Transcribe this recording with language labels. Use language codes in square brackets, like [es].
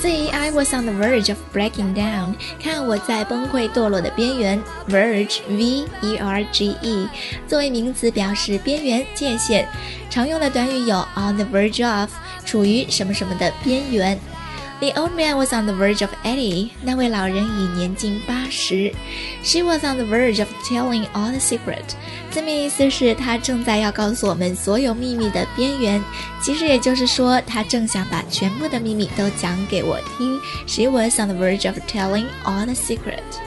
[en] I was on the verge of breaking down. [zh] 看我在崩溃堕落的边缘。 Verge, V-E-R-G-E, 作为名词表示边缘、界限。常用的短语有 on the verge of, 处于什么什么的边缘。 [en] The old man was on the verge of 80. [zh] 那位老人已年近八十。 [en] She was on the verge of telling all the secret. [zh] 字面意思是他正在要告诉我们所有秘密的边缘。其实也就是说他正想把全部的秘密都讲给我听。 [en] She was on the verge of telling all the secret.